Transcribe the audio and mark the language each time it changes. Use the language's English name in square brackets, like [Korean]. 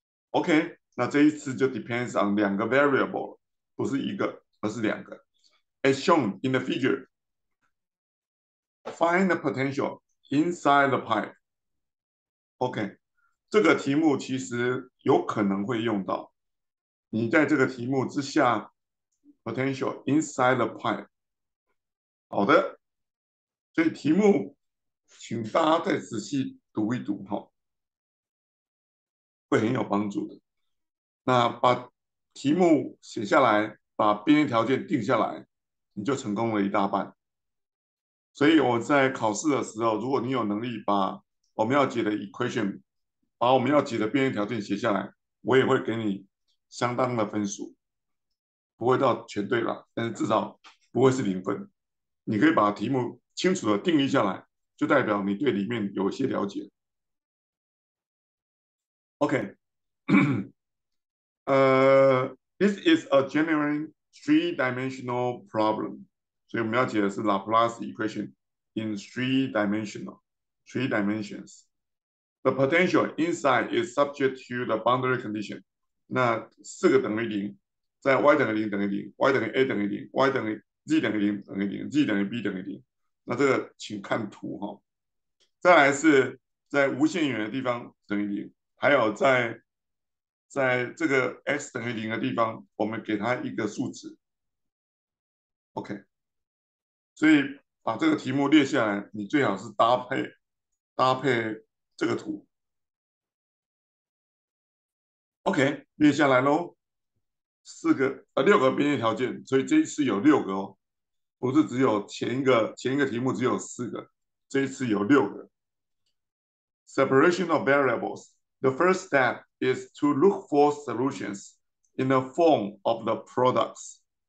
[Chinese] OK，那这一次就 [English] depends on [Chinese] 两个 variable。不是一个，而是两个。 [English] As shown in the figure, find the potential inside the pipe. [Chinese] OK，这个题目其实有可能会用到。你在这个题目之下， [English] potential inside the pipe。 [Chinese] 好的，所以题目，请大家再仔细读一读哈，会很有帮助的。那把题目写下来。把边际条件定下来，你就成功了一大半。所以我在考试的时候，如果你有能力把我们要解的 equation，把我们要解的边际条件写下来，我也会给你相当的分数，不会到全对了，但是至少不会是零分。你可以把题目清楚的定义下来，就代表你对里面有些了解。 [English] OK，This is a genuine three-dimensional problem， [Chinese] 所以我们要解的是 [English] Laplace equation in three dimensions. The potential inside is subject to the boundary condition. [Chinese] 那四个等于零, 在y等于0等于零, y等于a等于零, y等于z等于零等于零, z等于b等于零。那这个请看图哦。再来是在无限远的地方等于零, 还有在这个x等于零的地方, 我们给它一个数值。 OK, 所以把这个题目列下来, 你最好是搭配这个图。 OK, 列下来咯。四个，六个边际条件，所以这一次有六个哦，不是只有前一个题目只有四个，这一次有六个。 [English] Separation of variables. The first step is to look for solutions in the form of the products.